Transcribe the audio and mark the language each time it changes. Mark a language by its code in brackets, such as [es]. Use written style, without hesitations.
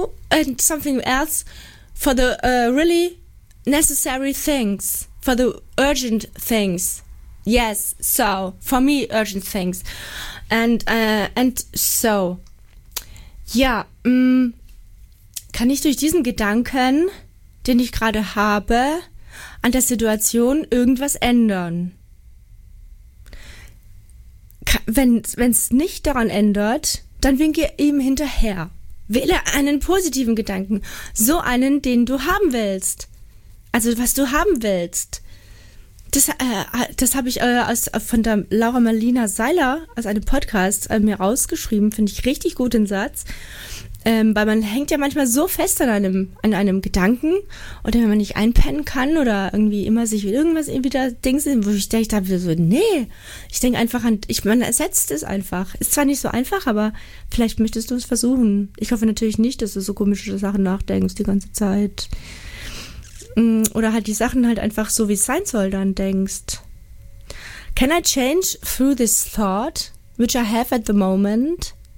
[en] And something else for the really necessary things, for the urgent things. Yes, so for me urgent things, and so. [de] Ja, kann ich durch diesen Gedanken, den ich gerade habe, an der Situation irgendwas ändern? Wenn es nicht daran ändert, dann winke ihm hinterher. Wähle einen positiven Gedanken. So einen, den du haben willst. Also, was du haben willst. Das habe ich von der Laura Marlina Seiler aus einem Podcast mir rausgeschrieben. Finde ich richtig gut, den Satz. Weil man hängt ja manchmal so fest an einem Gedanken. Oder wenn man nicht einpennen kann oder irgendwie immer sich irgendwas irgendwie da Dings, wo ich denke, so, nee. Ich denke einfach an, man ersetzt es einfach. Ist zwar nicht so einfach, aber vielleicht möchtest du es versuchen. Ich hoffe natürlich nicht, dass du so komische Sachen nachdenkst die ganze Zeit. Oder halt die Sachen halt einfach so, wie es sein soll, dann denkst. [en] Can I change through this thought, which I have at the moment?